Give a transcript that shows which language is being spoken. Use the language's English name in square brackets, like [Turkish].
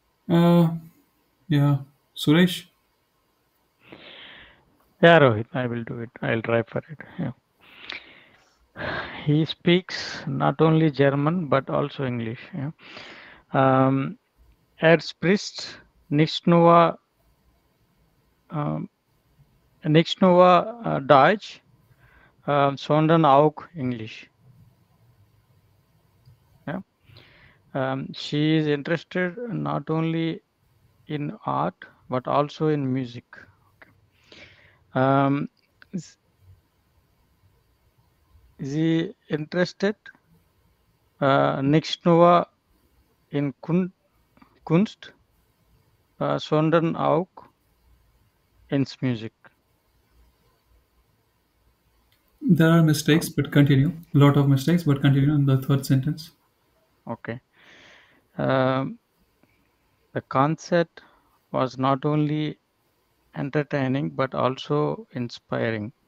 [English] Okay. Suresh? Yeah, Rohit, I will do it. I'll try for it. Yeah. He speaks not only German, but also English. Yeah. [German] Er spricht nicht nur Deutsch, sondern auch English. [English] Yeah. She is interested not only in art, but also in music. Okay. She interested [German] nicht nur in Kunst, sondern auch in music. [English] There are mistakes, but continue. A lot of mistakes, but continue in the third sentence. Okay. The concert was not only entertaining, but also inspiring.